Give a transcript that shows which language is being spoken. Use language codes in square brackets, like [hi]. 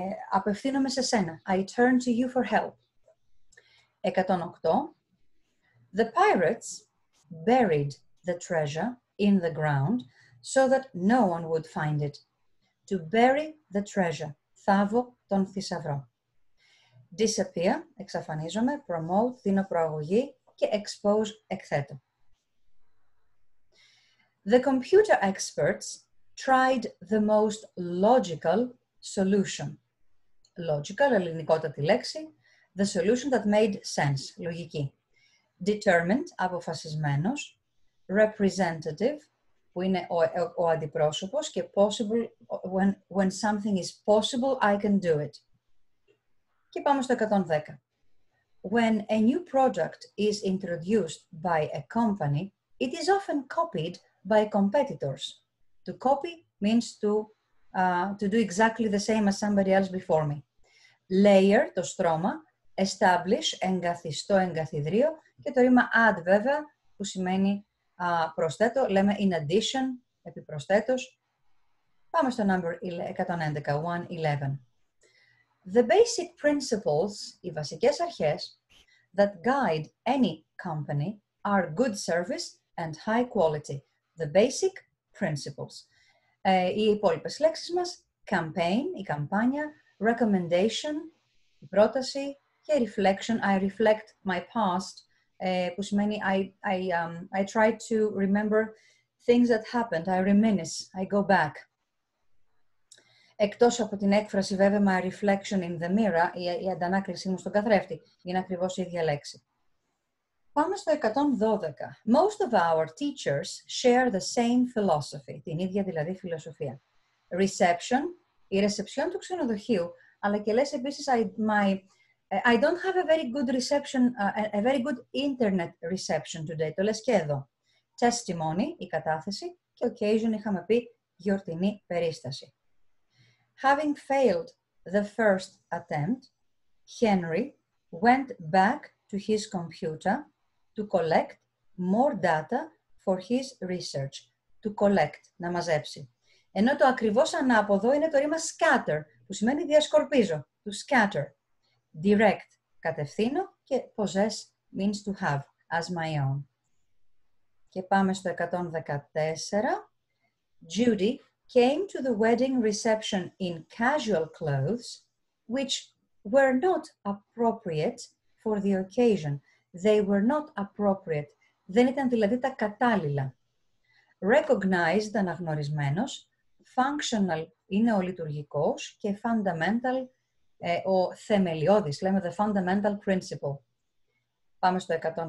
[el] Απευθύνομαι σε σένα. [en] I turn to you for help. 108. The pirates buried the treasure in the ground so that no one would find it. To bury the treasure. [el] Θάβω τον θησαυρό. Disappear, εξαφανίζομαι. Promote, δίνω προαγωγή. Και expose, εκθέτω. [en] The computer experts tried the most logical solution. [el] Logical, ελληνικότατη λέξη. [en] The solution that made sense, λογική. Determined, αποφασισμένος. Representative, [el] που είναι ο αντιπρόσωπος, και [en] possible, when something is possible, I can do it. [el] Και πάμε στο 110. [en] When a new product is introduced by a company, it is often copied by competitors. To copy means to do exactly the same as somebody else before me. [el] Layer, το στρώμα, establish, εγκαθιστώ, εγκαθιδρύω, και το ρήμα add, βέβαια, που σημαίνει προσθέτω, λέμε [en] in addition, [el] επιπροσθέτως. Πάμε στο number 111. [en] The basic principles, [el] οι βασικές αρχές, [en] that guide any company are good service and high quality. The basic principles. [el] Οι υπόλοιπες λέξεις μας, [en] campaign, η καμπάνια, recommendation, η πρόταση, και reflection, I reflect my past, που σημαίνει I try to remember things that happened, I reminisce, I go back. [el] Εκτός από την έκφραση, βέβαια, [en] my reflection in the mirror, [el] η αντανάκλησή μου στον καθρέφτη, είναι ακριβώς η ίδια λέξη. Πάμε στο 112. [en] Most of our teachers share the same philosophy, [el] την ίδια δηλαδή φιλοσοφία. [en] Reception, [el] η reception του ξενοδοχείου, αλλά και λες επίσης [en] I don't have a very good reception, a very good internet reception today. [el] Το λες και εδώ. Testimony, η κατάθεση, και occasion, είχαμε πει, γιορτινή περίσταση. [en] Having failed the first attempt, Henry went back to his computer to collect more data for his research. To collect, να μαζέψει. [el] Ενώ το ακριβώς ανάποδο είναι το ρήμα scatter, που σημαίνει διασκορπίζω. [en] To scatter. Direct, κατευθύνω, και possess means to have, as my own. [el] Και πάμε στο 114. [en] Judy came to the wedding reception in casual clothes, which were not appropriate for the occasion. They were not appropriate. [el] Δεν ήταν δηλαδή τα κατάλληλα. Recognized, αναγνωρισμένος. Functional, είναι ο λειτουργικός. Και fundamental, ο θεμελιώδης, λέμε [en] the fundamental principle. [el] Πάμε στο 115.